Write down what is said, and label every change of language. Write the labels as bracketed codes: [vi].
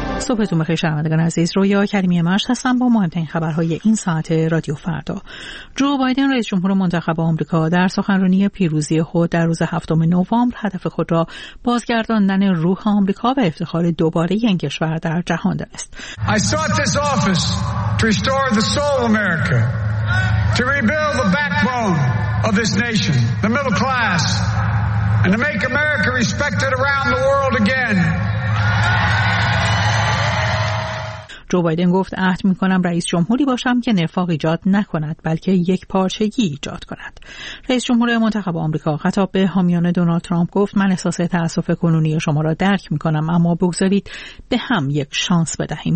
[fa] صبحتون بخیر شنوندگان عزیز، رویا کریمی مشت هستم با مهمترین خبرهای این ساعت رادیو فردا. جو بایدن رئیس جمهور منتخب آمریکا در سخنرانی پیروزی خود در روز 7 نوامبر هدف خود را بازگرداندن روح آمریکا و افتخار دوباره این کشور در جهان دانست. [en] I sought this office to restore the soul of America, to rebuild the backbone of this nation, the middle class, and to make America respected around the world again. [fa] جو بایدن گفت عهد می کنم رئیس جمهوری باشم که نفاق ایجاد نکند بلکه یک پارچگی ایجاد کند. رئیس جمهور منتخب آمریکا خطاب به حامیان دونالد ترامپ گفت من احساس تأسف کنونی شما را درک می کنم، اما بگذارید به هم یک شانس بدهیم.